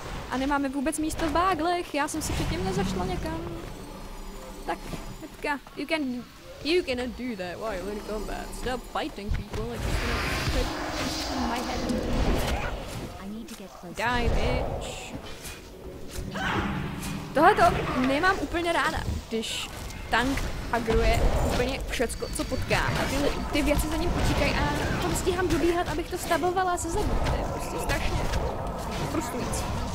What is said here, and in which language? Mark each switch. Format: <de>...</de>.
<cs>A nemáme vůbec místo v báglech, já jsem si předtím nezašla někam.</cs> <en>Tak, hetka, you can do that while you're in combat. Stop fighting people, I'm just gonna put my head in. Die, bitch.</en> <cs>Tohleto nemám úplně ráda, když tank agruje úplně všecko, co potká. A ty věci za ním utíkají a to stíhám dobíhat, abych to stabovala se zadu. To je prostě strašně frustrující.</cs>